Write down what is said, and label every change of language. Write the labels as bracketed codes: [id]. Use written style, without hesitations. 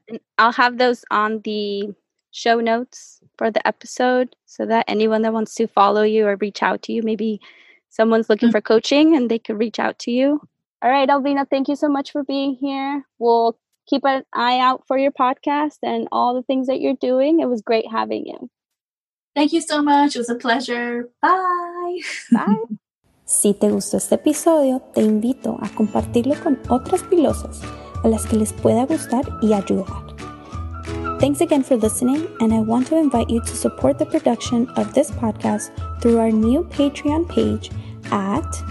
[en] And I'll have those on the show notes for the episode, so that anyone that wants to follow you or reach out to you, maybe someone's looking for coaching and they could reach out to you. All right, Alvina, thank you so much for being here. We'll keep an eye out for your podcast and all the things that you're doing. It was great having you. Thank you so much. It was a pleasure. Bye. Bye. [es] Si te gustó este episodio, te invito a compartirlo con otras pilosas a las que les pueda gustar y ayudar. [en] Thanks again for listening, and I want to invite you to support the production of this podcast through our new Patreon page at